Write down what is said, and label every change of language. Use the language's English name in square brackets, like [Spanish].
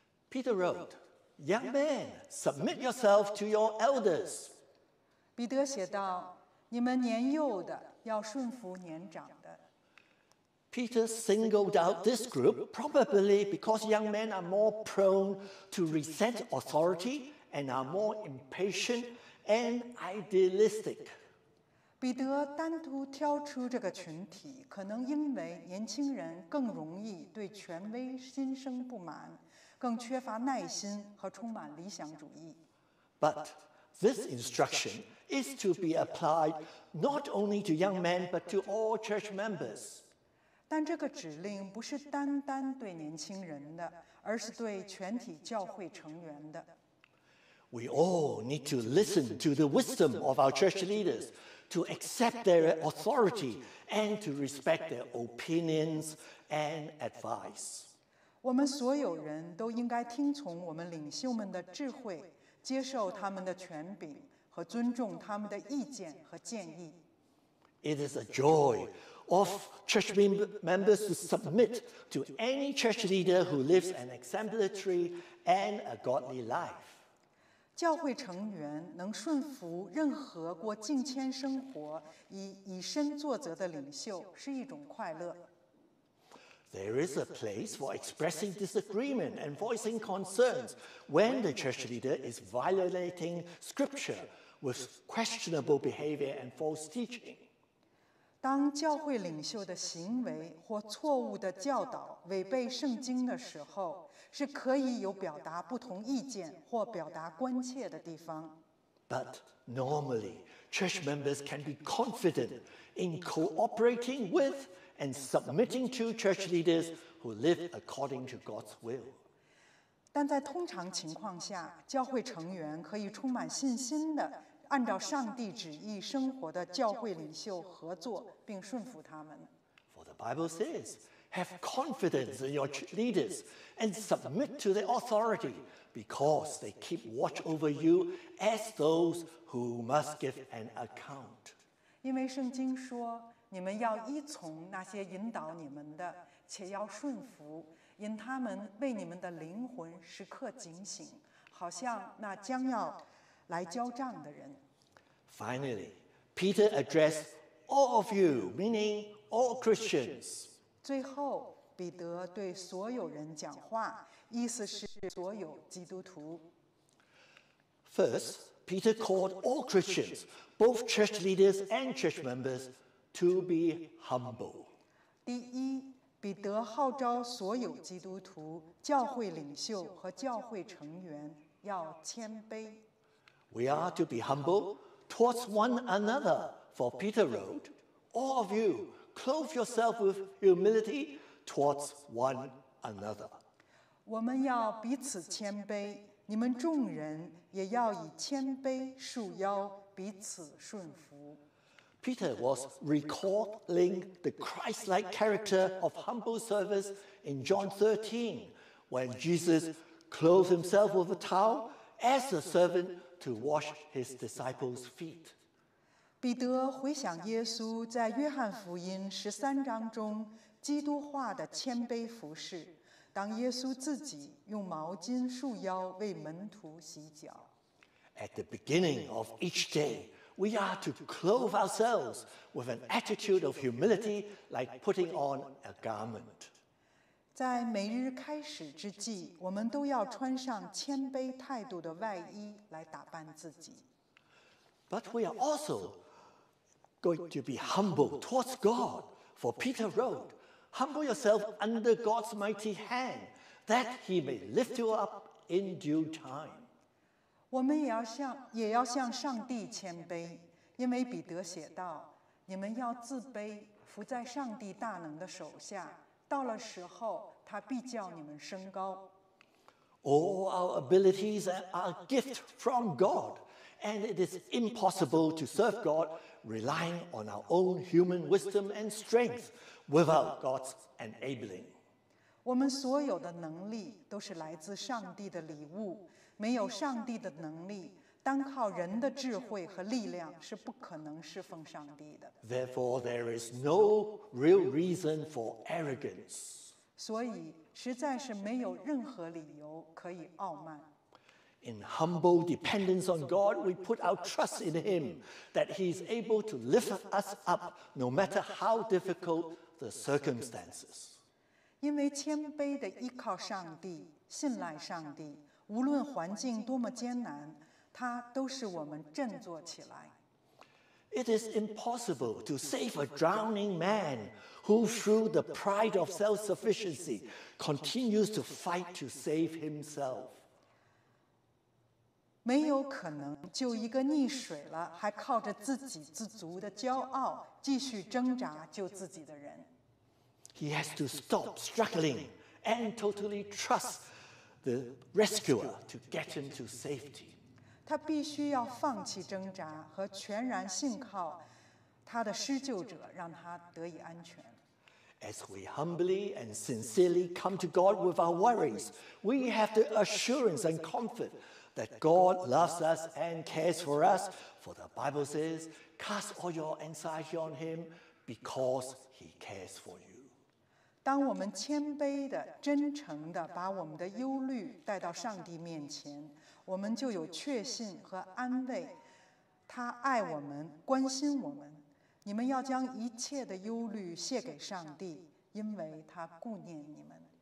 [English] Peter wrote, "Young men, submit yourself to your elders." [Chinese] 彼得写道，你们年幼的要顺服年长的。 [English] Peter singled out this group probably because young men are more prone to resent authority and are more impatient. And idealistic. [Chinese] 彼得单独挑出这个群体，可能因为年轻人更容易对权威心生不满，更缺乏耐心和充满理想主义。 [English] But this instruction is to be applied not only to young men, but to all church members. [Chinese] 但这个指令不是单单对年轻人的，而是对全体教会成员的。 [English] We all need to listen to the wisdom of our church leaders, to accept their authority, and to respect their opinions and advice. [Chinese] 我们所有人都应该听从我们领袖们的智慧，接受他们的权柄，和尊重他们的意见和建议。 [English] It is a joy of church members to submit to any church leader who lives an exemplary and a godly life. [Chinese] 教会成员能顺服任何过敬虔生活、以身作则的领袖是一种快乐。 [English] There is a place for expressing disagreement and voicing concerns when the church leader is violating scripture with questionable behavior and false teaching. [Chinese] 当教会领袖的行为或错误的教导违背圣经的时候，是可以有表达不同意见或表达关切的地方。 [English] But normally, church members can be confident in cooperating with and submitting to church leaders who live according to God's will. [Chinese] 但在通常情况下，教会成员可以充满信心的按照上帝旨意生活的教会领袖合作并顺服他们。 [English] For the Bible says, have confidence in your leaders and submit to their authority because they keep watch over you as those who must give an account. [Chinese] 因为圣经说，你们要依从那些引导你们的，且要顺服，因他们为你们的灵魂时刻警醒，好像那将要来交账的人。 [English] Finally, Peter addressed all of you, meaning all Christians. [Chinese] 最后，彼得对所有人讲话，意思是所有基督徒。 [English] First, Peter called all Christians, both church leaders and church members, to be humble. [Chinese] 第一，彼得号召所有基督徒、教会领袖和教会成员要谦卑。 [English] We are to be humble towards one another, for Peter wrote, All of you, clothe yourself with humility towards one another. [Chinese] 我们要彼此谦卑，你们众人也要以谦卑束腰，彼此顺服。 [English] Peter was recalling the Christ-like character of humble service in John 13, when Jesus clothed himself with a towel as a servant to wash his disciples' feet. [Chinese] 彼得回想耶稣在约翰福音十三章中基督化的谦卑服侍，当耶稣自己用毛巾束腰为门徒洗脚。 [English] At the beginning of each day, we are to clothe ourselves with an attitude of humility like putting on a garment. [Chinese] 在每日开始之际，我们都要穿上谦卑态度的外衣来打扮自己。 [English] But we are also going to be humble towards God, for Peter wrote, Humble yourself under God's mighty hand, that he may lift you up in due time. [Chinese] 我们也要向上帝谦卑，因为彼得写道，你们要自卑，伏在上帝大能的手下，到了时候，他必叫你们升高。 [English] All our abilities are a gift from God, and it is impossible to serve God relying on our own human wisdom and strength without God's enabling. [Chinese] 我们所有的能力都是来自上帝的礼物，没有上帝的能力，单靠人的智慧和力量是不可能侍奉上帝的。 [English] Therefore, there is no real reason for arrogance. [Chinese] 所以实在是没有任何理由可以傲慢。 [English] In humble dependence on God, we put our trust in Him that He is able to lift us up no matter how difficult the circumstances. [Chinese] 因为谦卑地依靠上帝，信赖上帝，无论环境多么艰难，他都使我们振作起来。 [English] It is impossible to save a drowning man who through the pride of self-sufficiency continues to fight to save himself. [Chinese] 没有可能救一个溺水了还靠着自给自足的骄傲继续挣扎救自己的人。 [English] He has to stop struggling and totally trust the rescuer to get him to safety. [Chinese] 他必须要放弃挣扎和全然信靠他的施救者，让他得以安全。 [English] As we humbly and sincerely come to God with our worries, we have the assurance and comfort that God loves us and cares for us. For the Bible says, cast all your anxiety on him because he cares for you. [Chinese] 当我们谦卑的、真诚的把我们的忧虑带到上帝面前，我们就有确信和安慰，他爱我们，关心我们。你们要将一切的忧虑卸给上帝，因为他顾念你们。